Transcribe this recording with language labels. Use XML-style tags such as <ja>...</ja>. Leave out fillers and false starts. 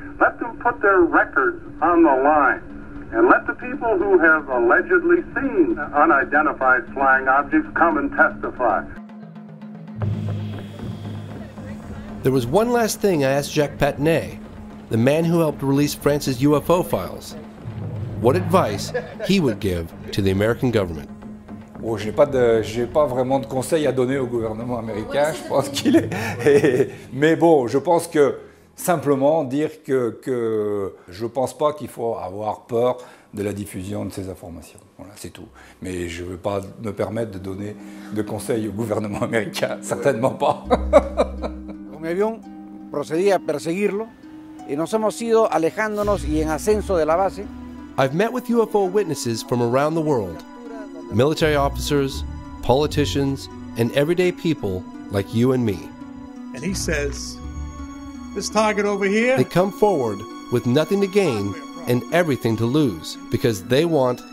<en>Let them put their records on the line. And let the people who have allegedly seen unidentified flying objects come and testify. There was one last thing I asked Jacques Patinet, the man who helped release France's UFO files. What advice he would give to the American government?</en> <fr>Oh, j'ai pas vraiment de conseils à donner au gouvernement américain. Je pense qu'il est. Mais bon, je pense que simplement dire que je pense pas qu'il faut avoir peur de la diffusion de ces informations. Voilà, c'est tout. Mais je veux pas me permettre de donner de conseils au gouvernement américain. Certainement pas.</fr> <es>Mi avión procedía a perseguirlo y nos hemos ido alejándonos y en ascenso de la base.</es> <en>I've met with UFO witnesses from around the world, military officers, politicians, and everyday people like you and me. And he says, this target over here... They come forward with nothing to gain and everything to lose because they want</en>